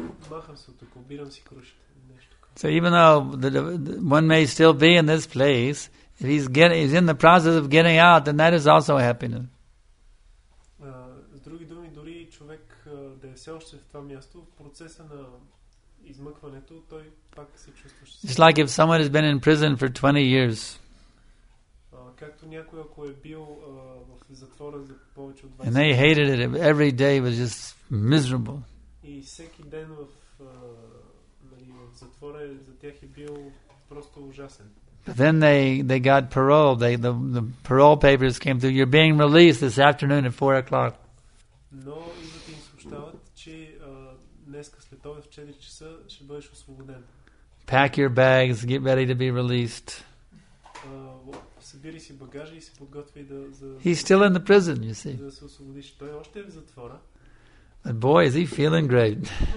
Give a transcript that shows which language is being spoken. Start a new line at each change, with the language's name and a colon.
Bulgarian: Махам се от тук, обирам си крушите.
English: So even though one may still be in this place, if he's in the process of getting out, then that is also happiness.
Bulgarian: С други думи, дори човек да е все още в това място, в процеса на измъкването, той пак се чувства щастлив.
English: It's like if someone has been in prison for 20 years.
Bulgarian: Както някой, ако е бил в затвора за повече от 20 години.
English: And they hated it. Every day was just miserable.
Bulgarian: И всеки ден в затвора за тях е бил просто ужасен.
English: But then they got parole. The parole papers came through. You're being released this afternoon at 4:00.
Bulgarian: Но идват и им съобщават, че днеска следобед в 4 часа ще бъдеш освободен.
English: Pack your bags, get ready to be released.
Bulgarian: Събирай си багажа и се подготвяй да за.
English: He's still in the prison, you see.
Bulgarian: Да се освободиш. Той още е в затвора.
English: But boy, is he feeling great.